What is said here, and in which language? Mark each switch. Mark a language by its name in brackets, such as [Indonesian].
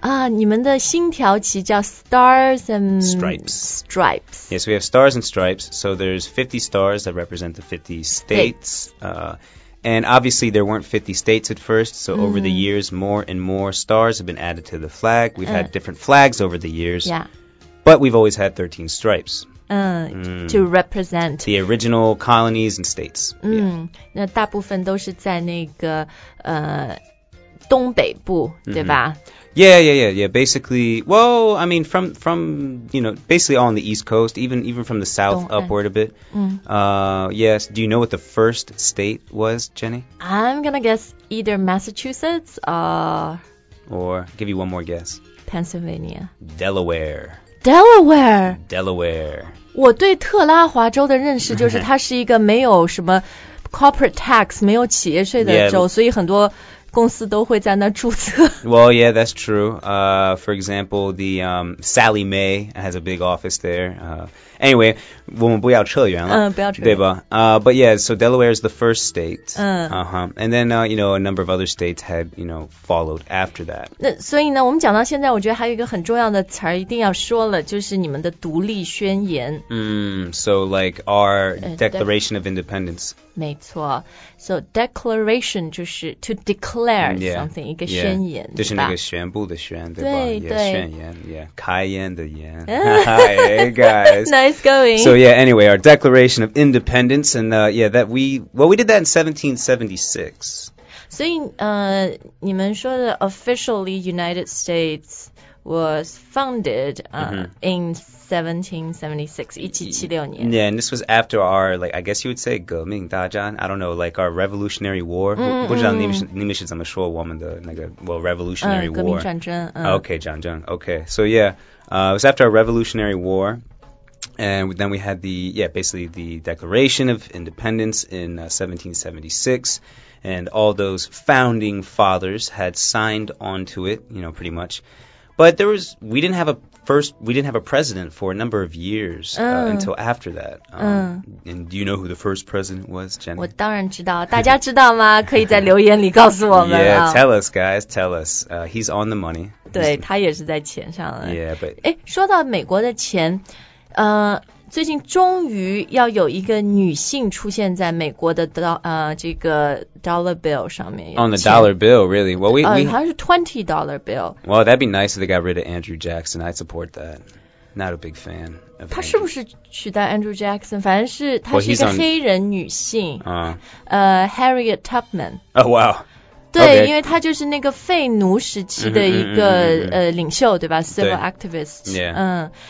[Chinese] 你们的星条旗叫 stars and [English] stripes. Stripes. Yes, we have stars and stripes. So there's 50 stars that represent the 50 states. And obviously, there weren't 50 states at first. So over the years, more and more stars have been added to the flag. We've had different flags over the years. Yeah. But we've always had 13 stripes. to represent the original colonies and states. [Chinese] 嗯，那大部分都是在那个东北部，对吧？ [English] Yeah. Basically, well, I mean, from you know, basically all on the East Coast, even from the South upward a bit. Yes. Do you know what the first state was, Jenny? I'm gonna guess either Massachusetts or give you one more guess. Pennsylvania. Delaware. Delaware. [Chinese] 我对特拉华州的认识就是它是一个没有什么 corporate tax, 没有企业税的州 所以很多公司都会在那注册。 [English] Well, yeah, that's true. For example, the Sally Mae has a big office there. [Chinese] Anyway, 我们不要扯远了。不要扯远。对吧？ [English] But yeah, so Delaware is the first state. And then, you know, a number of other states had, you know, followed after that. [Chinese] 所以呢，我们讲到现在，我觉得还有一个很重要的词儿一定要说了，就是你们的独立宣言。 [English] So like our Declaration of Independence. [Chinese] 没错。 [English] So declaration 就是 to declare something, [Chinese] 一个宣言。就是那个宣布的宣，对吧？对。宣言，yeah, 开言的言。 [English] Hey, guys. Nice going. So yeah, anyway, our Declaration of Independence, and yeah, that we did that in 1776. [Chinese] 所以你们说的 [English] officially United States was founded in 1776, 1776年. Yeah, and this was after our, like, I guess you would say 革命大战, I don't know, like our Revolutionary War. [Chinese] 不知道你们是怎么说我们的那个, well, Revolutionary War. 革命战争. [English] Okay, 战争, okay. So yeah, it was after our Revolutionary War. And then we had basically the Declaration of Independence in 1776. And all those founding fathers had signed onto it, you know, pretty much. But we didn't have a president for a number of years until after that. And do you know who the first president was, Jenny? [Chinese] 我当然知道。大家知道吗？可以在留言里告诉我们。 [English] Yeah, tell us, guys, tell us. He's on the money. [Chinese] 对，他也是在钱上了。 [English] Yeah, but... [Chinese] 说到美国的钱。最近终于要有一个女性出现在美国的这个 dollar bill 上面。 [English] On the dollar bill, really? Well, we 还是 twenty dollar bill. Well, that'd be nice if they got rid of Andrew Jackson. I support that. Not a big fan of. [Chinese] 他是不是取代 Andrew Jackson? 反正是他是一个黑人女性。 [English] Harriet Tubman. Oh wow. [Chinese] 对、 [English] okay. [Chinese] 因为他就是那个废奴时期的一个领袖对吧 Civil activist、 [English] yeah.